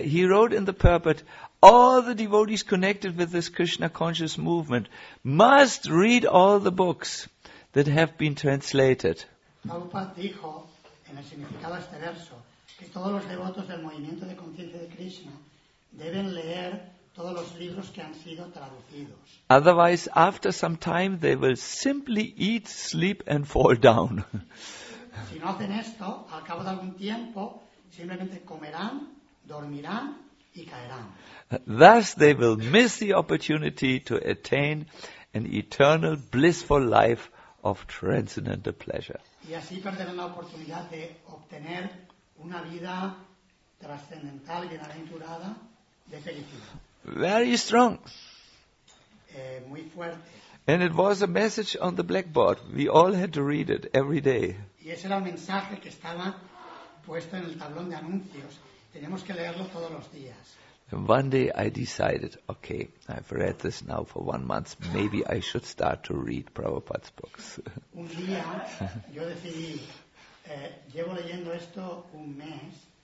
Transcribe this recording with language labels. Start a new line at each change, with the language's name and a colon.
English: He wrote in the purport, all the devotees connected with this Krishna conscious movement must read all the books that have been translated.
Spanish: Prabhupada dijo en el significado de este verso que todos los devotos del movimiento de conciencia de Krishna deben leer todos los libros que han sido traducidos.
English: Otherwise, after some time, they will simply eat, sleep, and fall down.
Spanish: Si no hacen esto, al cabo de algún tiempo, simplemente comerán, dormirán y caerán.
English: Thus, they will miss the opportunity to attain an eternal, blissful life of transcendental pleasure.
Spanish: Y así perderán la oportunidad de obtener una vida trascendental, bienaventurada, de felicidad.
English: Very strong.
Spanish: Muy fuerte.
English: And it was a message on the blackboard. We all had to read it every day.
Spanish: Y ese era el mensaje que estaba puesto en el tablón de anuncios. Teníamos que leerlo todos los días.
English: And one day I decided, okay, I've read this now for 1 month. Maybe I should start to read Prabhupada's books.
Spanish: Un día yo decidí, llevo leyendo esto un mes.